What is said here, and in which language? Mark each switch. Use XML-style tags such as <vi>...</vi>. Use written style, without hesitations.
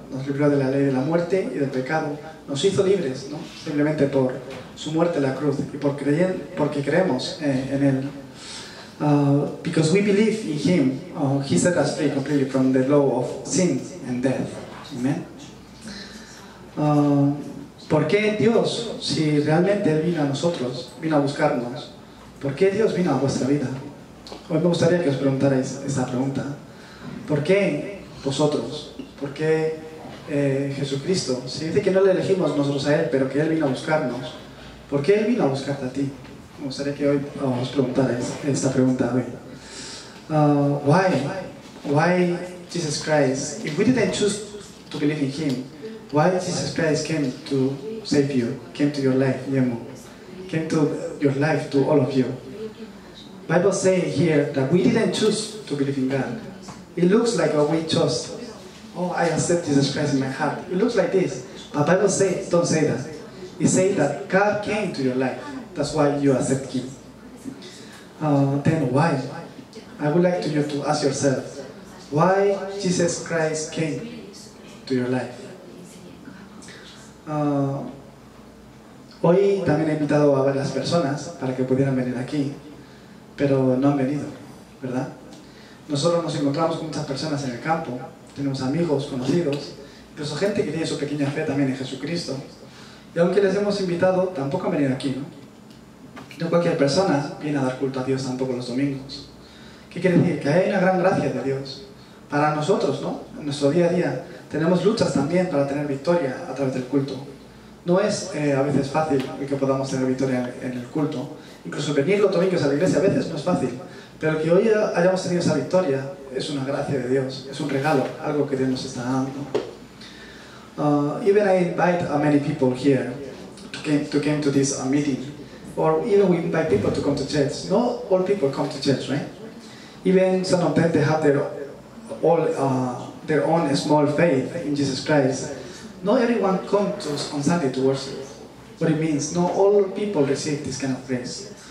<es>Nos libró de la ley de la muerte y del pecado. Nos hizo libres, ¿no? Simplemente por su muerte en la cruz y porque creemos en Él.</es> <en>Because we believe in Him, He set us free completely from the law of sin and death. Amen.</en> <es>¿Por qué Dios, si realmente Él vino a nosotros, vino a buscarnos, por qué Dios vino a vuestra vida? Hoy me gustaría que os preguntarais esta pregunta. ¿Por qué vosotros? ¿Por qué Jesucristo? Si dice que no le elegimos nosotros a Él, pero que Él vino a buscarnos, ¿por qué Él vino a buscarte a ti? Me gustaría que hoy os preguntarais esta pregunta hoy.</es> <en>Why Jesus Christ, if we didn't choose to believe in Him, why Jesus Christ came to save you, came to your life, Yemo, came to your life, to all of you? Bible says here that we didn't choose to believe in God. It looks like we chose, I accept Jesus Christ in my heart. It looks like this, but Bible says, don't say that. It says that God came to your life. That's why you accept Him. Then why? I would like you to ask yourself, why Jesus Christ came to your life?</en> <es>Hoy también he invitado a varias personas para que pudieran venir aquí, pero no han venido, ¿verdad? Nosotros nos encontramos con muchas personas en el campo, tenemos amigos, conocidos, incluso gente que tiene su pequeña fe también en Jesucristo. Y aunque les hemos invitado, tampoco han venido aquí, ¿no? No cualquier persona viene a dar culto a Dios tampoco los domingos. ¿Qué quiere decir? Que hay una gran gracia de Dios para nosotros, ¿no? En nuestro día a día tenemos luchas también para tener victoria a través del culto. No es a veces fácil que podamos tener victoria en el culto. Incluso venir los domingos a la iglesia a veces no es fácil. Pero que hoy hayamos tenido esa victoria es una gracia de Dios, es un regalo, algo que Dios nos está dando.</es> <en>Even I invite many people here to come to this meeting. Or even we invite people to come to church. Not all people come to church, right? Even some of them, they have their own small faith in Jesus Christ. Not everyone comes on Sunday to worship. What it means, not all people receive this kind of grace.</en>